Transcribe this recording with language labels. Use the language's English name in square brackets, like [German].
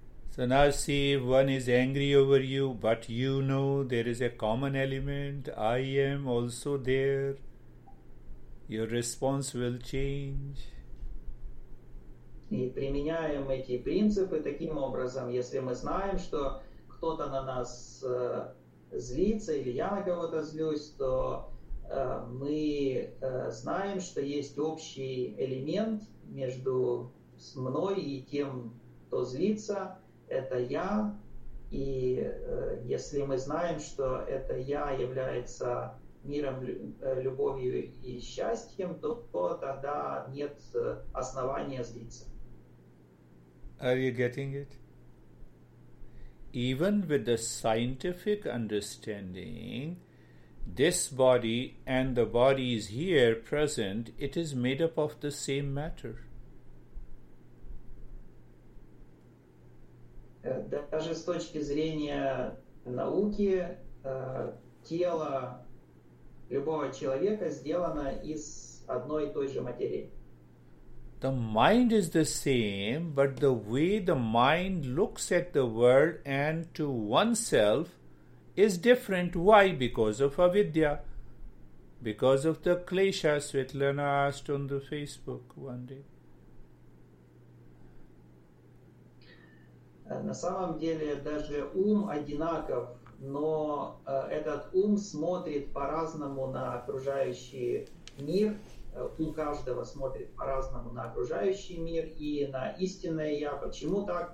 [English] So now see, if one is angry over you, but you know there is a common element, I am also there, your response will change. [Russian] И применяем эти принципы таким образом, если мы знаем, что кто-то на нас злится или я на кого-то злюсь, то мы знаем, что есть общий элемент между мной и тем, кто злится, это я. И если мы знаем, что это я является миром, любовью и счастьем, то тогда нет основания злиться. [English] Are you getting it? Even with the scientific understanding, this body and the body is here present, it is made up of the same matter. [Russian] Даже с точки зрения науки, тело любого человека сделано из одной и той же материи. [English] The mind is the same, but the way the mind looks at the world and to oneself is different. Why? Because of avidya. Because of the klesha, Svetlana asked on the Facebook one day. [Russian] На самом деле даже ум одинаков, но этот ум смотрит по-разному на окружающий мир. У каждого смотрит по-разному на окружающий мир и на истинное я. Почему так?